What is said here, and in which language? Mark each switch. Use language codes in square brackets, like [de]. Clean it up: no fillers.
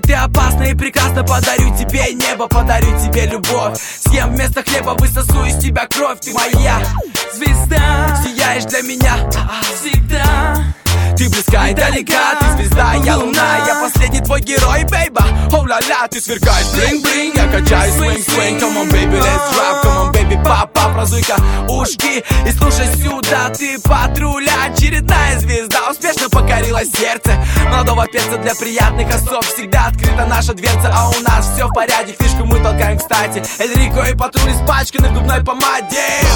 [ru] Ты опасна и прекрасна, подарю тебе небо, подарю тебе любовь. Съем вместо хлеба, высосу из тебя кровь. Ты моя звезда, сияешь для меня всегда. Ты близка и далека, ты звезда, я луна. Я последний твой герой, бейба, оу-ля-ля. Ты сверкаешь, блинг-блинг, я качаюсь, свинг-свинг. [en] Come on, baby, let's rap, come on, baby, [ru] папа. Образуй-ка ушки и слушай сюда. Ты патруля, очередная звезда. Успешно покорила сердце молодого перца. Для приятных особ всегда открыта наша дверца. А у нас все в порядке, фишку мы толкаем, кстати. Эльрико и патруль испачканы в губной помаде.